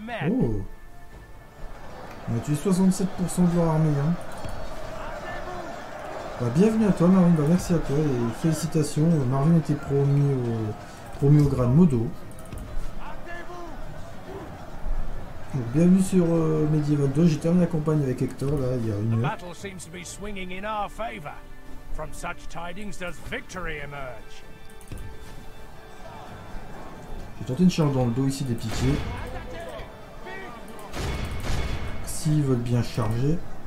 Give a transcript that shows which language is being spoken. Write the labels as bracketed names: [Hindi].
[French] Oh. On a tué 67% de leur armée. Hein. Bah, bienvenue à toi Marvin, bah, merci à toi et félicitations, Marvin était promu au grade modo. Donc, bienvenue sur Medieval 2, j'ai terminé la campagne avec Hector là il y a une heure. [English] Battle seems to be swinging in our favor. From such tidings does victory emerge. [French] J'ai tenté une charge dans le dos ici des piquets. S'ils veulent bien charger.